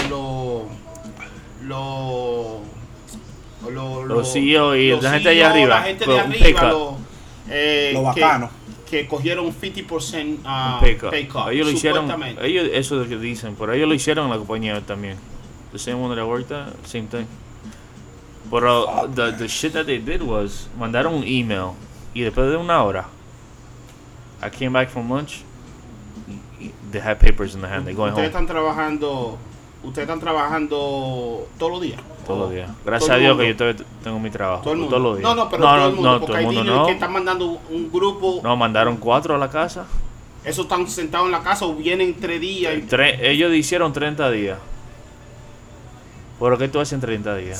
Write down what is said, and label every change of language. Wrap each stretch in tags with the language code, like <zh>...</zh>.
<es>la gente de allá arriba. La gente de arriba, lo bacano. Que cogieron 50%</es> <en>pay cut.</en> <es>Ellos lo hicieron, ellos, eso es lo que dicen, pero ellos lo hicieron en la compañía también.</es> <en>The same one that I worked at, same thing. But the shit that they did was,</en> <es>mandaron un email, y después de una hora,</es> <en>I came back from lunch. They have papers in the hand. They going home.</en> <es>Ustedes están trabajando todos los días. Todos los días. Gracias a Dios que yo tengo mi trabajo. Todo el mundo. Todos los días. No, todo el mundo. Que están mandando un grupo. No, mandaron 4 a la casa. Esos están sentados en la casa o vienen 3 días. Ellos hicieron 30 días. ¿Por qué tú haces en 30 días?</es>